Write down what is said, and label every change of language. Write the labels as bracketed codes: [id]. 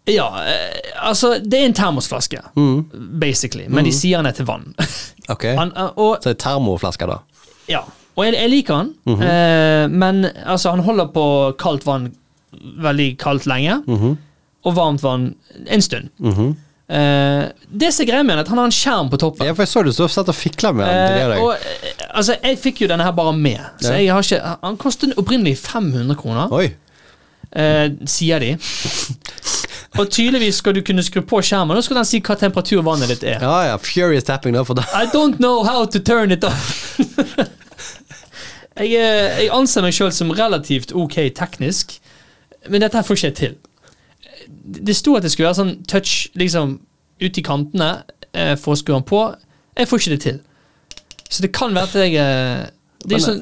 [no] Ja, altså det er en termosflaske, basically, men de sier den er til vann. Ok, så det er termoflaske da? Ja, og jeg liker han, men altså han holder på kaldt vann veldig kaldt lenge, og varmt vann en stund. Det ser greit med han, at han har en skjerm på toppen. Ja, for jeg så det, så du satt og fiklet med han. Og altså, jeg fikk jo denne her bare med. Så jeg har ikke, han kostet opprinnelig 500 kroner. Oi. Sier de. Og tydeligvis skal du kunne skru på skjermen. Nå skal den si hva temperatur vannet ditt er. Ja, ja, furious tapping da for det. [en] I don't know how to turn it off. [no] Jeg anser meg selv som relativt ok teknisk. Men dette her får ikke jeg til. Det sto at det skulle være sånn touch liksom ut i kantene for å skru den på. Jeg får ikke det til. Så det kan være at jeg...